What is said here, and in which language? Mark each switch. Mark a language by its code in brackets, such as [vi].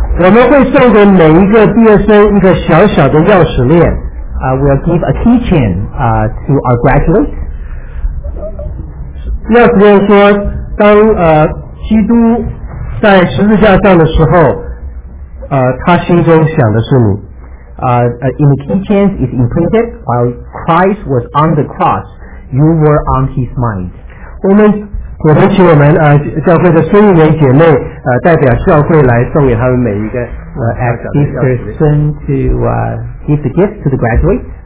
[zh] 我们会送给每一个毕业生一个小小的钥匙链, [en] we'll give a keychain to our graduates. [zh] 钥匙链说, 当基督在十字架上的时候, 他心中想的是你, [en] in the keychain is imprinted, while Christ was on the cross, you were on his mind. [zh] 我们请我们, 教会的孙姨妹姐妹, 代表教会来送给他们每一个, [en] ask Sister Sun to give the gift to the graduates.